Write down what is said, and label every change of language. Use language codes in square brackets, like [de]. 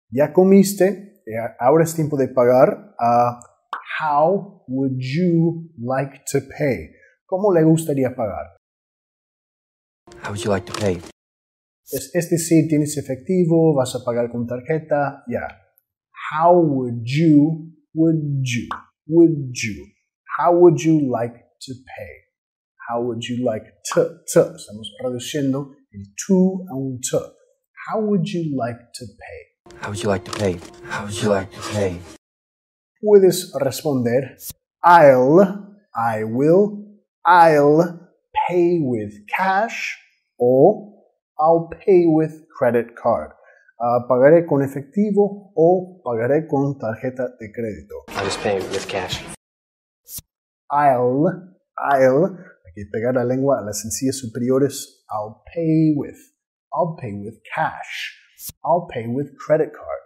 [es] Ya comiste, ahora es tiempo de pagar. [en] How would you like to pay? [es] ¿Cómo le gustaría pagar? [en] How would you like to pay? [es] Es decir, tienes efectivo, vas a pagar con tarjeta, ya. [en] Yeah. How would you, how would you like to pay? How would you like to? [es] Estamos reduciendo el to a un to. [en] How would you like to pay? How would you like to pay? How would you like to pay? [es] Puedes responder, [en] I'll pay with cash or I'll pay with credit card. [es] Pagaré con efectivo o pagaré con tarjeta de crédito. [en] I'll just pay with cash. I'll, [es] hay que pegar la lengua a las encías superiores. [en] I'll pay with cash. I'll pay with credit card.